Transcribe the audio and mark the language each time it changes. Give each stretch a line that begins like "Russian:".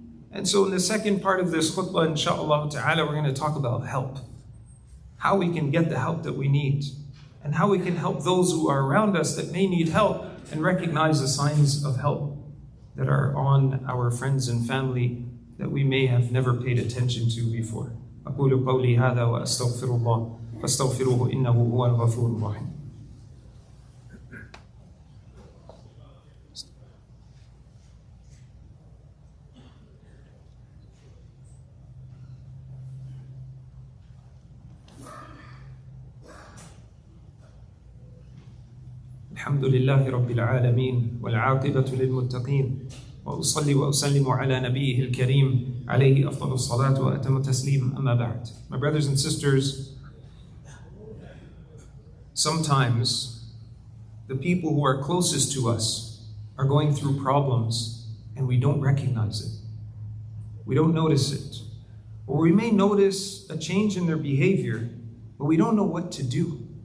English: And so in the second part of this khutbah, inshaAllah ta'ala, we're going to talk about help. How we can get the help that we need. And how we can help those who are around us that may need help, and recognize the signs of help that are on our friends and family that we may have never paid attention to before.
Arabic: أقول قولي هذا وأستغفر الله فاستغفروه إنه هو الغفور الرحيم. الحمد لله رب العالمين والعاقبة للمتقين وأصلي وأسلم على نبيه الكريم عليه أفضل الصلاة وأتم التسليم أما بعد.
English: My brothers and sisters, sometimes the people who are closest to us are going through problems and we don't recognize it. We don't notice it. Or we may notice a change in their behavior, but we don't know what to do.